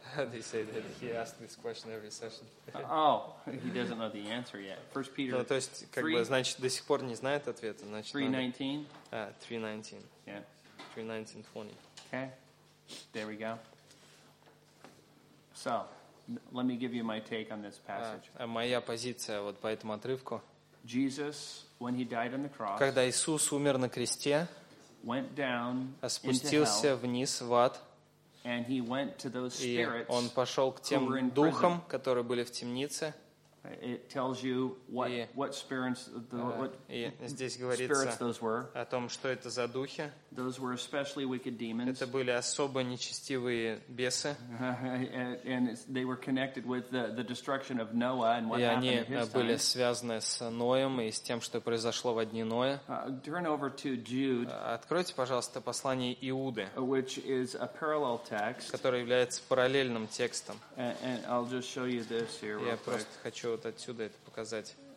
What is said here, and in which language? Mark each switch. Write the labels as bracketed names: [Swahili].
[English] They say that he asks this question every session. Oh, he doesn't know the answer yet. 1 Peter 3. [Russian] То есть, как бы, значит, до сих пор не знает ответа. [English] 3:19? 3:19. Yeah. 3:19-20. Okay. There we go. So, let me give you my take on this passage. [Russian] Моя позиция вот по этому отрывку. [English] Jesus, when he died on the cross, [Russian] когда Иисус умер на кресте, [English] went down into hell, [Russian] спустился вниз в ад, [English] and he went to those spirits, [Russian] и он пошел к тем духам, которые были в темнице. [English] It tells you what spirits those were. [Russian] О том, что это за духи. [English] Those were especially wicked demons. [Russian] Это были особо нечестивые бесы. [English] And they were connected with the destruction of Noah and what happened. [Russian] И они были связаны с Ноем и с тем, что произошло в дни Ноя. [English] Turn over to Jude. [Russian] Откройте, пожалуйста, послание Иуды, [English] which is a parallel text, [Russian] который является параллельным текстом. [English] And I'll just show you this here. [Russian] Я просто хочу вот отсюда это показать.